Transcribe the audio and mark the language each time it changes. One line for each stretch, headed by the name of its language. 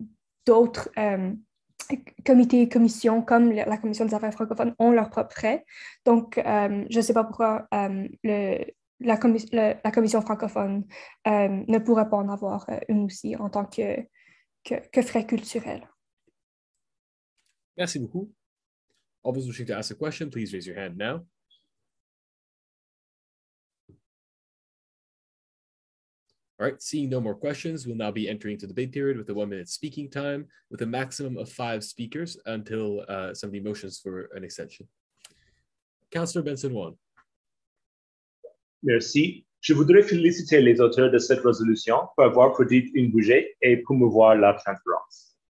French: Beaucoup d'autres comités et commissions comme la Commission des affaires francophones ont leurs propres frais. Donc, je ne sais pas pourquoi la Commission francophone ne pourrait pas en avoir une aussi en tant que frais culturel. Merci beaucoup.
English: All those wishing to ask a question, please raise your hand now. All right, seeing no more questions, we'll now be entering into the debate period with a 1 minute speaking time with a maximum of 5 speakers until some of the motions for an extension. Councillor Benson Wong.
French: Merci. Je voudrais féliciter les auteurs de cette résolution pour avoir produit un budget et promouvoir la transparence.